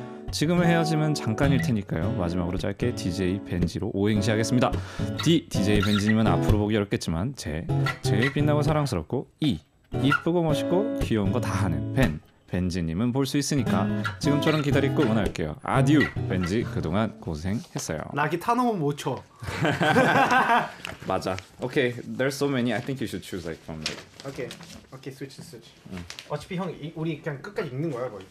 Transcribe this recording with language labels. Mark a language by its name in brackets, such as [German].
[Korean] 지금의 헤어짐은 잠깐일 테니까요. 마지막으로 짧게 DJ 벤지로 오행시 하겠습니다. D, DJ 벤지님은 앞으로 보기 어렵겠지만 제 제일 빛나고 사랑스럽고 E, 이쁘고 멋있고 귀여운 거 다 하는 벤, 벤지님은 볼 수 있으니까 지금처럼 기다리고 응원할게요. 아듀, 벤지 그동안 고생했어요. 나 기타 너무 못 쳐. 맞아. [English] Okay, there's so many. I think you should choose like from there. Okay, okay, switch, switch. [Korean] 응. 어차피 형 우리 그냥 끝까지 읽는 거야 거의.